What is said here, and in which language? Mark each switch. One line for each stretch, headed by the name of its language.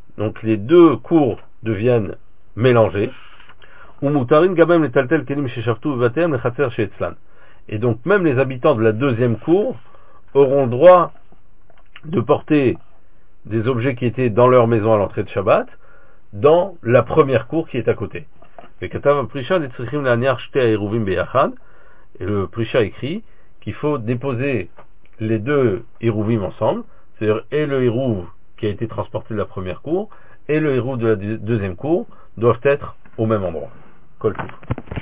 French: Donc les deux cours deviennent mélangées. Umutarin gamem letaltel kelim sheshavtu vevateihem lechatzer sheetzlan. Et donc même les habitants de la deuxième cour auront le droit de porter des objets qui étaient dans leur maison à l'entrée de Shabbat dans la première cour qui est à côté.
Hebrew: וכתב הפרישה צריכים להניח שתי העירובים ביחד.
French: הפרישה écrit qu'il faut déposer les deux עירובים ensemble, c'est-à-dire et le עירוב qui a été transporté de la première cour et le עירוב de la deuxième cour doivent être au même endroit. כל פעם.